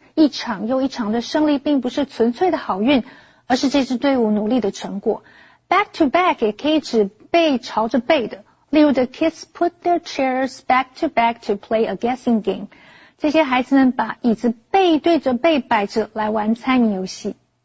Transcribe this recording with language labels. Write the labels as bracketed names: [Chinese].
[Chinese] 一场又一场的胜利并不是纯粹的好运，而是这支队伍努力的成果。 [English] Back-to-back [Chinese] 也可以指背朝着背的，例如 [English] The kids put their chairs back-to-back to play a guessing game. [Chinese] 这些孩子们把椅子背对着背摆着来玩猜谜游戏。